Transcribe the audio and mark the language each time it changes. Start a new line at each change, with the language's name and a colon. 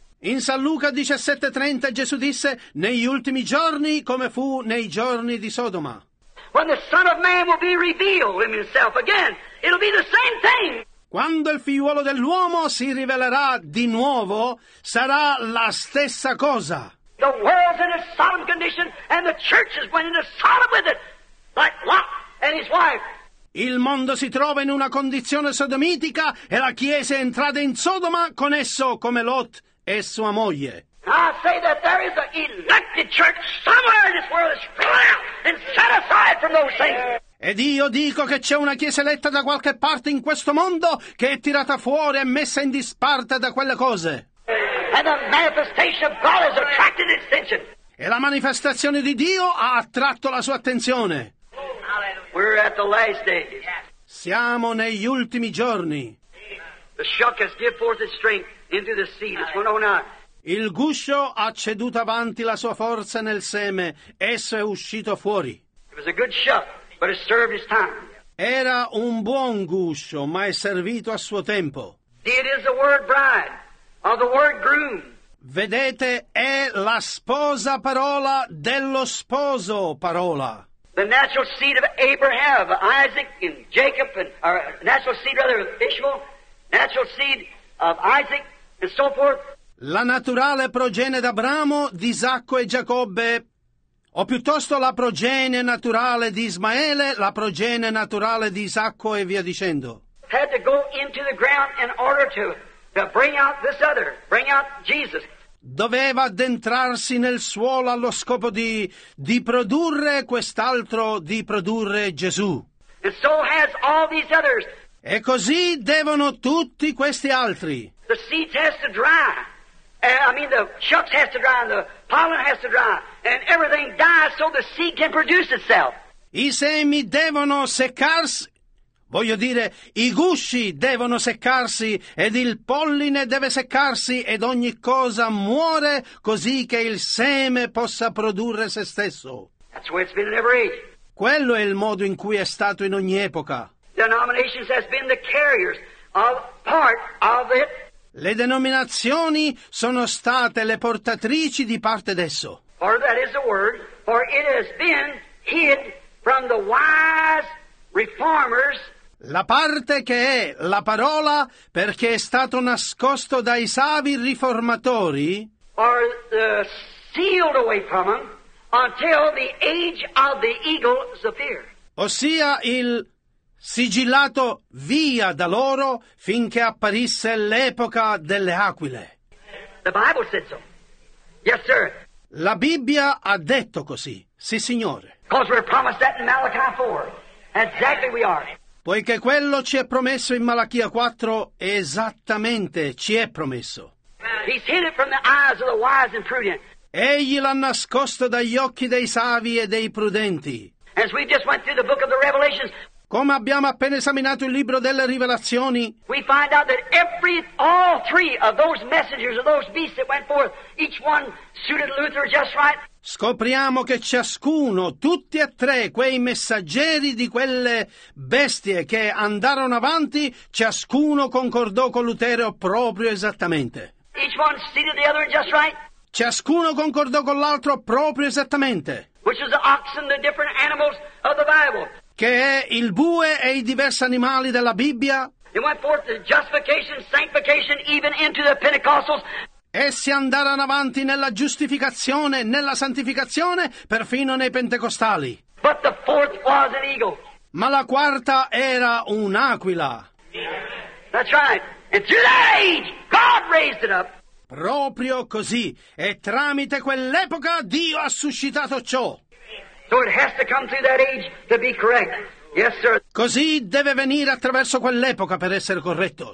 Italian: In San Luca 17:30 Gesù disse, negli ultimi giorni come fu nei giorni di Sodoma.
English: When the Son of Man will be revealed in himself again, it'll be the same thing.
Italian: Quando il figliuolo dell'uomo si rivelerà di nuovo, sarà la stessa cosa.
English: The world's in a solemn condition and the church is went into Sodom with it, like Lot and his wife.
Italian: Il mondo si trova in una condizione sodomitica e la Chiesa è entrata in Sodoma con esso come Lot e sua moglie.
English: I say that there is an elected church somewhere in this world that's crying out and set aside from those things.
Italian: Ed io dico che c'è una chiesa eletta da qualche parte in questo mondo che è tirata fuori e messa in disparte da quelle cose.
English: And the manifestation of God has attracted its attention.
Italian: E la manifestazione di Dio ha attratto la sua attenzione.
English: We're at the last days.
Italian: Siamo negli ultimi giorni.
English: The shuck has given forth its strength into the seed. It's 109.
Italian: Il guscio ha ceduto avanti la sua forza nel seme. Esso è uscito fuori.
English: It was a good shuck, but it served its time.
Italian: Era un buon guscio, ma è servito a suo tempo.
English: It is the word bride, or the word groom.
Italian: Vedete, è la sposa parola dello sposo parola.
English: The natural seed of Abraham, of Isaac, and Jacob, and, or natural seed rather of Ishmael, natural seed of Isaac, and so forth.
Italian: La naturale progenie d'Abramo, di Isacco e Giacobbe, o piuttosto la progenie naturale di Ismaele, la progenie naturale di Isacco e via dicendo.
English: Had to go into the ground in order to bring out this other, bring out Jesus.
Italian: Doveva addentrarsi nel suolo allo scopo di produrre quest'altro, di produrre Gesù.
English: And so has all these others.
Italian: E così devono tutti questi altri.
English: The seed has to dry. The chucks has to dry, and the pollen has to dry, and everything dies so the seed can produce itself.
Italian: I semi devono seccarsi, voglio dire, i gusci devono seccarsi, ed il polline deve seccarsi, ed ogni cosa muore così che il seme possa produrre se stesso.
English: That's the way it's been in every age.
Italian: Quello è il modo in cui è stato in ogni epoca.
English: Denominations has been the carriers of part of it.
Italian: Le denominazioni sono state le portatrici di parte d'esso.
English: For that is the word, for it has been hid from the wise reformers.
Italian: La parte che è la parola, perché è stato nascosto dai savi riformatori,
English: are sealed away from them until the age of the eagle appear.
Italian: Ossia il sigillato via da loro finché apparisse l'epoca delle aquile.
English: The Bible said so. Yes, sir.
Italian: La Bibbia ha detto così. Sì, signore.
English: Because we're promised that in Malachi 4. Exactly we are.
Italian: Poiché quello ci è promesso in Malachia 4, esattamente ci è promesso.
English: He's hid it from the eyes of the wise and prudent.
Italian: Egli l'ha nascosto dagli occhi dei savi e dei prudenti.
English: As we just went through the book of the Revelation.
Italian: Come abbiamo appena esaminato il libro delle rivelazioni,
English: we find out that all three of those messengers, of those beasts that went forth, each one suited Luther just right.
Italian: Scopriamo che ciascuno, tutti e tre, quei messaggeri di quelle bestie che andarono avanti, ciascuno concordò con Lutero proprio esattamente.
English: Each one suited the other just right.
Italian: Ciascuno concordò con l'altro proprio esattamente.
English: Which is the oxen, the different animals of the Bible.
Italian: Che è il bue e i diversi animali della Bibbia.
English: They went forth to justification, sanctification, even into the Pentecostals.
Italian: Essi andarono avanti nella giustificazione, nella santificazione, perfino nei pentecostali.
English: But the fourth was an eagle.
Italian: Ma la quarta era un'aquila.
English: That's right. And through that age, God raised it up.
Italian: Proprio così. E tramite quell'epoca Dio ha suscitato ciò.
English: So it has to come through that age to be correct. Yes, sir.
Italian: Così deve venire attraverso quell'epoca per essere corretto.